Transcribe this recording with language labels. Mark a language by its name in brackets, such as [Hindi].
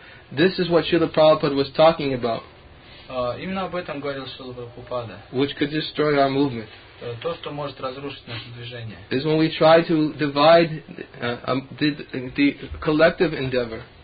[English] This is what Srila Prabhupada was talking about. [Russian] Именно об этом говорил Шрила Прабхупада. [English] Which could destroy our movement. [Russian] То, что может разрушить наше движение. [English] Is when we try to divide the collective endeavor.